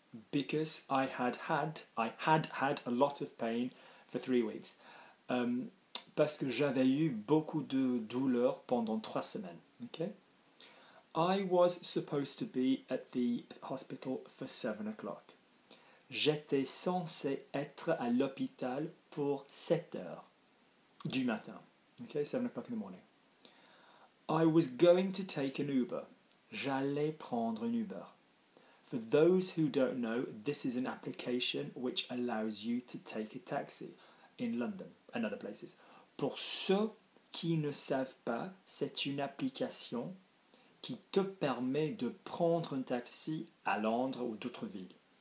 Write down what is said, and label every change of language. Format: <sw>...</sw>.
<en>Because I had a lot of pain for 3 weeks.</en> <fr>Parce que j'avais eu beaucoup de douleur pendant 3 semaines.</fr> <en>Okay? I was supposed to be at the hospital for 7 o'clock.</en> <fr>J'étais censé être à l'hôpital pour 7 heures du matin.</fr> <en>Okay, 7 o'clock in the morning. I was going to take an Uber.</en> <fr>J'allais prendre un Uber.</fr> <en>For those who don't know, this is an application which allows you to take a taxi in London and other places.</en> <fr>Pour ceux qui ne savent pas, c'est une application qui te permet de prendre un taxi à Londres ou d'autres villes.</fr>